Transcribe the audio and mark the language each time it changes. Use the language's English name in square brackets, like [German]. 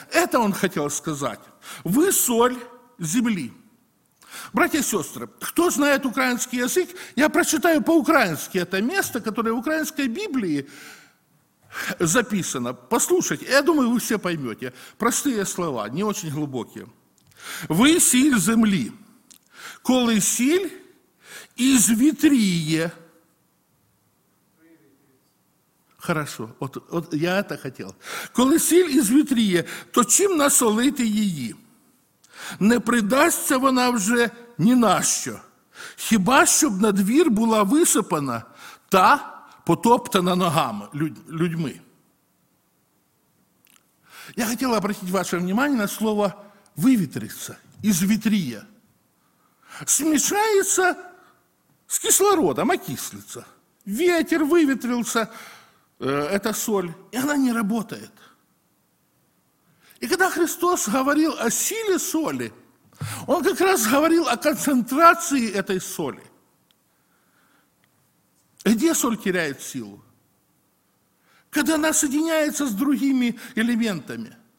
[Russian] Это он хотел сказать. Вы соль земли. Братья и сестры, кто знает украинский язык, я прочитаю по-украински это место, которое в украинской Библии записано. Послушайте, я думаю, вы все поймете. Простые слова, не очень глубокие. [Ukrainian] Вы сіль землі, коли сіль ізвітріє. [Russian] Хорошо, от я это хотел. [Ukrainian] Коли сіль ізвітріє, то чим насолити її? Не придасться вона вже ні на що, хіба щоб на двір була висипана та потоптана ногами, людьми. Я хотів [Russian] обратити ваше внимание на слово «вивітриться», «ізвітріє». [Ukrainian] Смішається з кислородом, окислиться. [Russian] Ветер [Ukrainian] вивітрився, [Russian] это соль, [Ukrainian] і вона [Russian] не работает. И когда Христос говорил о силе соли, Он как раз говорил о концентрации этой соли. Где соль теряет силу? Когда она соединяется с другими элементами.